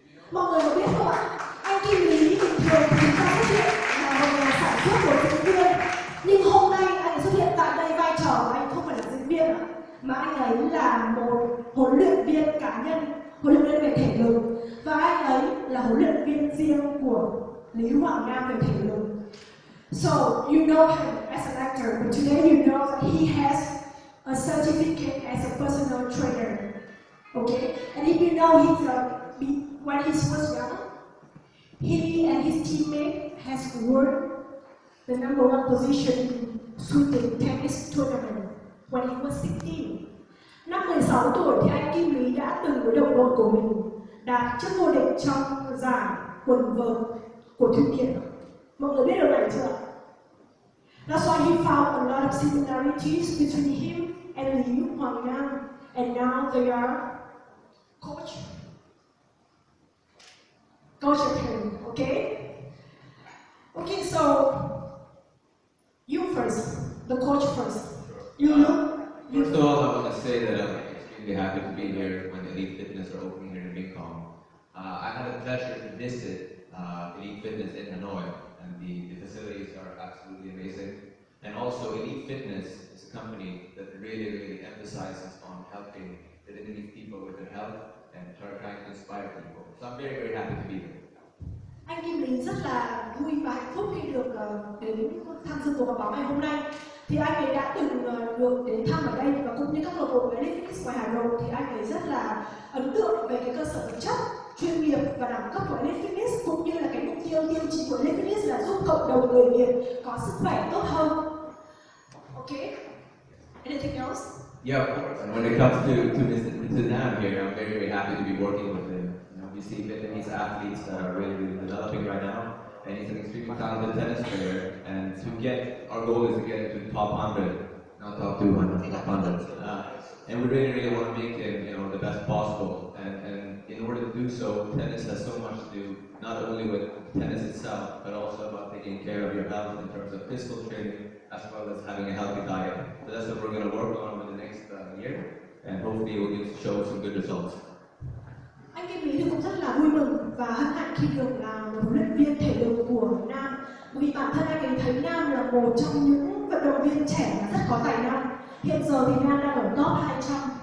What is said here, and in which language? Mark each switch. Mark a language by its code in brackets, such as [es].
[vi] Mọi người có biết không ạ? Anh Kim Lý bình thường thì ta xuất hiện là một nhà sản xuất, một diễn viên. Nhưng hôm nay anh xuất hiện tại đây, vai trò của anh không phải là diễn viên mà anh ấy là một huấn luyện viên cá nhân, huấn luyện viên về thể lực. Và anh ấy là huấn luyện viên riêng của Lý Hoàng Nam về thể lực. [en] So you know him as an actor, but today you know that he has a certificate as a personal trainer. Okay? And if you know he's a when he was young, he and his teammate has won the number one position in shooting tennis tournament when he was 16. [vi] Năm 16 tuổi thì anh Kim Lý đã từng với đồng đội của mình đạt chức vô địch trong giải quần vợt của Thụy Điển. Mọi người biết điều này chưa? [en] That's why he found a lot of similarities between him and Lý Hoàng Nam, and now they are coach. Coach of him, okay? Okay, so you first, the coach first. You know? First of all, I want to say that I'm extremely happy to be here when Elite Fitness are opening here in Mekong. I had the pleasure to visit Elite Fitness in Hanoi, and the facilities are absolutely amazing. And also, Elite Fitness is a company that really, really emphasizes on helping the Vietnamese people with their health and trying to inspire people. So I'm very, very happy to be here. [vi] Anh Kim Lý rất là vui và hạnh phúc khi được đến tham dự cuộc họp báo ngày hôm nay. Thì anh ấy đã từng được đến thăm ở đây và cũng như các câu lạc bộ Elite Fitness ngoài Hà Nội, thì anh ấy rất là ấn tượng về cái cơ sở vật chất chuyên nghiệp và đẳng cấp của Elite Fitness, cũng như là cái mục tiêu tiêu chí của Elite Fitness là giúp cộng đồng người Việt có sức khỏe tốt hơn. [en] Okay. Anything else? Yeah, of course. And when it comes to Nam here, I'm very, very happy to be working with him. You know, you see Vietnamese athletes that are really, really developing right now, and he's an extremely talented tennis player. And to get our goal is to get to the top 100, not top 200, top 100. And we really, really want to make him, you know, the best possible. And in order to do so, tennis has so much to do, not only with tennis itself, but also about taking care of your health in terms of physical training, as well as having a healthy diet. So that's what we're going to work on over the next year, and hopefully we'll get to show some good results. [vi] Anh Kim Lý cũng rất là vui mừng và hân hạnh khi được làm một huấn luyện viên thể lực của Nam, vì bản thân anh ấy thấy Nam là một trong những vận động viên trẻ rất có tài năng. Hiện giờ thì Nam đang ở top 200.